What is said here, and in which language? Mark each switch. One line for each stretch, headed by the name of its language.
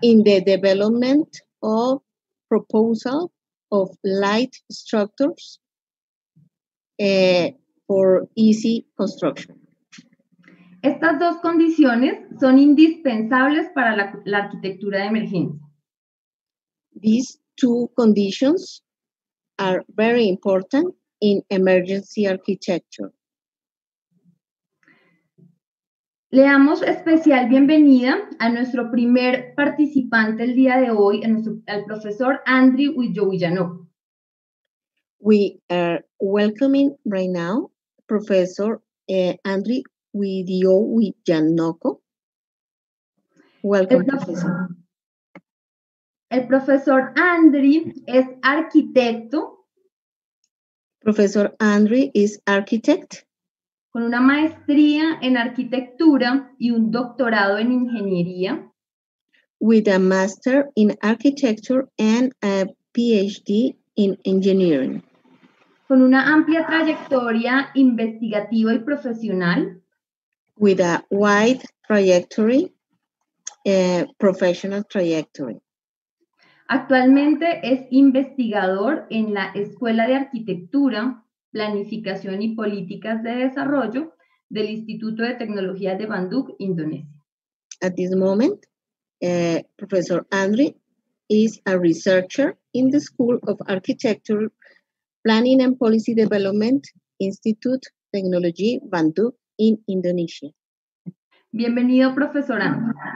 English: In the development of proposal of light structures for easy construction.
Spanish: Estas dos condiciones son indispensables para la arquitectura de emergencia.
English: These two conditions are very important in emergency architecture.
Spanish: Le damos especial bienvenida a nuestro primer participante el día de hoy, al profesor Andrew Willoughby-Janot.
English: We are welcoming right now Professor Andrew Willoughby-Janot. Welcome, Professor.
Spanish: El profesor Andrew es arquitecto.
English: Professor Andrew is architect.
Spanish: Con una maestría en arquitectura y un doctorado en ingeniería.
English: With a master in architecture and a PhD in engineering.
Spanish: Con una amplia trayectoria investigativa y profesional.
English: with a wide trajectory, professional trajectory.
Spanish: Actualmente es investigador en la Escuela de Arquitectura, Planificación y Políticas de Desarrollo del Instituto de Tecnología de Bandung, Indonesia.
English: At this moment, Professor Andri is a researcher in the School of Architecture, Planning and Policy Development, Institute Technology, Bandung, in Indonesia.
Spanish: Bienvenido, Profesor Andri.